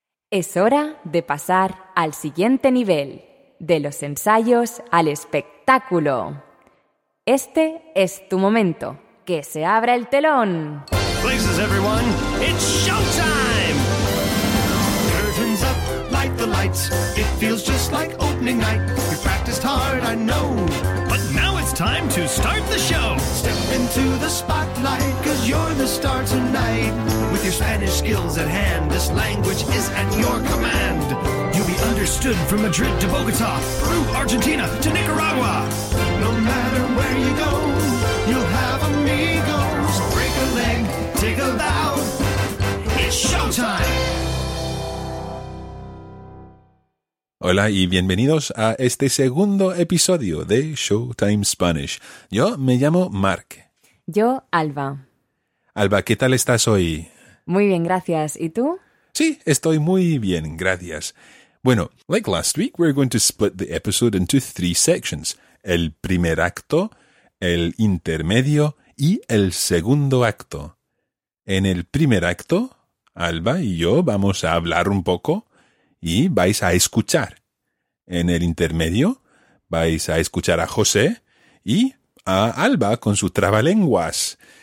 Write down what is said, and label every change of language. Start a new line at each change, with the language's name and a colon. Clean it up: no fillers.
Spanish: Es hora de pasar al siguiente nivel, de los ensayos al espectáculo. Este es tu momento. ¡Que se abra el telón!
English: Places, everyone, it's showtime! Curtains up, light the lights. It feels just like opening night. We practiced hard, I know. But now it's time to start the show. Step into the spotlight, cause you're the star tonight. With your Spanish skills at hand, this language is at your command. You'll be understood from Madrid to Bogota, Peru, Argentina to Nicaragua. No matter where you go, you'll have amigos. Break a leg, take a bow. It's showtime!
Spanish: Hola y bienvenidos a este segundo episodio de Showtime Spanish. Yo me llamo Mark. Yo, Alba. Alba, ¿qué tal estás hoy? Muy bien, gracias. ¿Y tú? Sí, estoy muy bien, gracias.
English: Bueno, like last week, we're going to split the episode into three sections.
Spanish: El primer acto, el intermedio y el segundo acto. En el primer acto, Alba y yo vamos a hablar un poco y vais a escuchar. En el intermedio, vais a escuchar a José y a Alba con su trabalenguas.